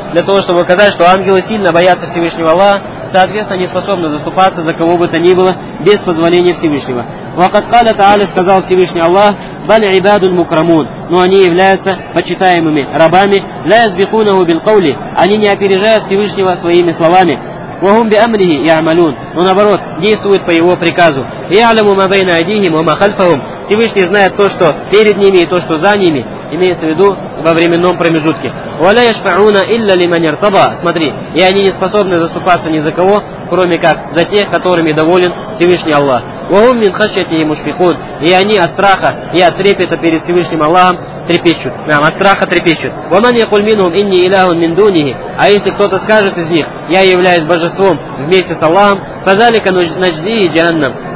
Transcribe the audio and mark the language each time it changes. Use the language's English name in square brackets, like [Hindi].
[Russian] Для того, чтобы показать, что ангелы сильно боятся Всевышнего Аллаха. Соответственно, они способны заступаться за кого бы то ни было без позволения Всевышнего. [Arabic] «Ва кад каля та'аля», [Russian] сказал Всевышний Аллах, [Arabic] «баль ибадуль мукрамун», [Russian] но они являются почитаемыми рабами. [Arabic] «Ла язбикунаху бил каули», [Russian] они не опережают Всевышнего своими словами. [Arabic] وهم بأمره يعملون. [Russian] Но наоборот, действуют по его приказу. [Arabic] يعلم ما بين أيديهم وما خلفهم. [Russian] Всевышний знает то, что перед ними и то, что за ними. Имеется в виду во временном промежутке. [Arabic] ولا يشفعون إلا لمن ارتضى. [Russian] Смотри, и они не способны заступаться ни за кого, кроме как за тех, которыми доволен Всевышний Аллах. [Arabic] وهم من خشيته مشفقون. [Russian] И они от страха и от трепета перед Всевышним Аллахом трепещут. Нам от страха трепещут. [Arabic] وَمَنْ يَقُلْ مِنْهُمْ إِنِّي إِلَهٌ مِنْ دُونِهِ. [Russian] А если кто-то скажет из них, я являюсь божеством вместе с Аллахом, [Arabic] فَذَلِكَ نَجْزِيهِ جَهَنَّمْ.